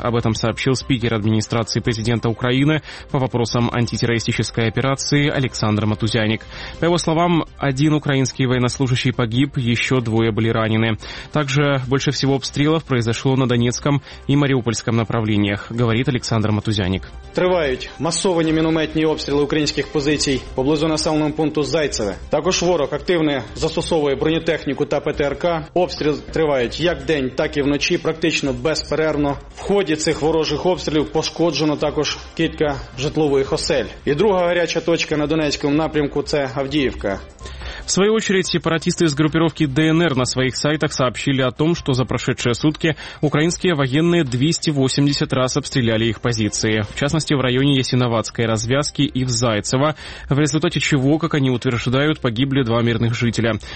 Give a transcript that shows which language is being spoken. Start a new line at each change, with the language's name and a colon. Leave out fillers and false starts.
Russian: Об этом сообщил спикер администрации президента Украины по вопросам антитеррористической операции Александр Матузяник. По его словам, один украинский военнослужащий погиб, еще двое были ранены. Также больше всего обстрелов произошло на Донецком и Мариупольском направлениях, говорит Александр Матузяник.
Ukrainian: Тривають масовані мінометні обстріли українських позицій поблизу населеного пункту Зайцеве. Також ворог активно застосовує бронетехніку та ПТРК. Обстріли тривають як день, так і вночі, практично безперервно. В ході цих ворожих обстрілів пошкоджено також кілька житлових осель. І друга гаряча точка на Донецькому напрямку – це Авдіївка.
Russian: В свою очередь, сепаратисты из группировки ДНР на своих сайтах сообщили о том, что за прошедшие сутки украинские военные 280 раз обстреляли их позиции, в частности, в районе Ясиноватской развязки и в Зайцево, в результате чего, как они утверждают, погибли два мирных жителя.